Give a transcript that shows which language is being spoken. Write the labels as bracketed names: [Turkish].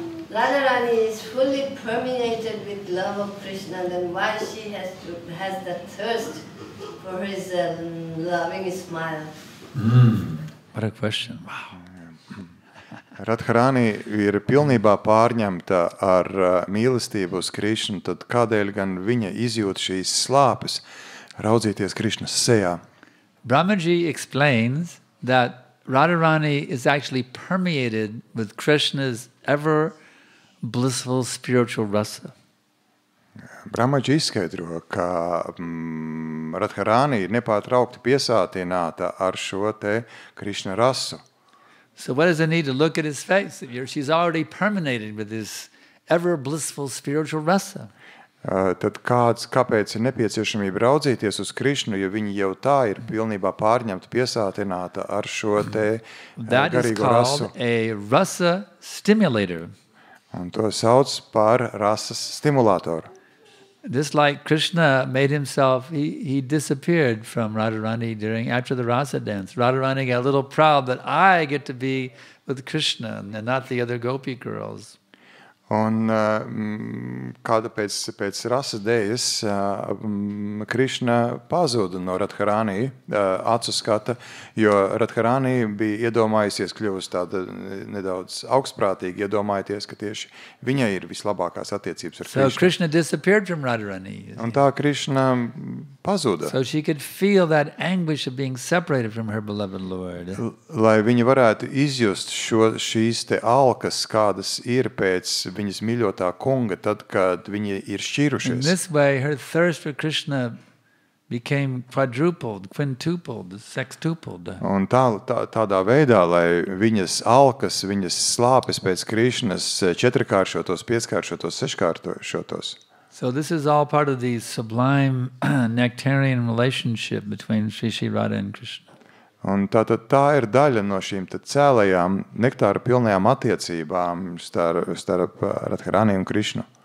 [English] Radharani is fully permeated with love of Krishna, then why she has the thirst for his loving smile? What a question. Wow. [Latvian] Radharani ir pilnībā pārņemta ar mīlestību uz Krišnu, tad kādēļ gan viņa izjūt šīs slāpes raudzīties Krišnas sejā? [English] Brahmaji explains that Radharani is actually permeated with Krishna's ever blissful spiritual rasa. [Latvian] Brahmaji izskaidro, ka Radharani ir nepārtraukti piesātināta ar šo te Krišna rasu. [English] So what does it need to look at his face if she's already permeated with this ever blissful spiritual rasa? [Latvian] Tad kāpēc ir nepieciešamība raudzīties uz Krišnu, jo viņa jau tā ir pilnībā pārņemta, piesātināta ar šo te garīgo rasu. [English] That is called a rasa stimulator. [Latvian] Un to sauc par rasas stimulatoru. [English] Just like Krishna made himself, he disappeared from Radharani during after the rasa dance. Radharani got a little proud that I get to be with Krishna and not the other gopi girls. [Latvian] Un kāda pēc rasa dejas Krishna pazuda no Radharani acu skata, jo Radharani bija iedomājusies kļūst tāda nedaudz augstprātīga, iedomājoties, ka tieši viņai ir vislabākās attiecības ar Krishna. [English] So Krishna disappeared from Radharani. [Latvian] Un tā Krishna pazuda. [English] So she could feel that anguish of being separated from her beloved Lord. [Latvian] Lai viņa varētu izjust šīs te alkas, kādas ir pēc viņas mīļotā kunga, tad, kad viņa ir šķīrušies. [English] In this way, her thirst for Krishna became quadrupled, quintupled, sextupled. [Latvian] Un tādā veidā, lai viņas alkas, viņas slāpes pēc Krišnas četrkāršotos, pieskāršotos, seškāršotos. [English] So this is all part of the sublime nectarian relationship between Sri Sri Radha and Krishna. [Latvian] Un tā ir daļa no šīm cēlējām, nektāra pilnajām attiecībām starp Radharani un Krishna.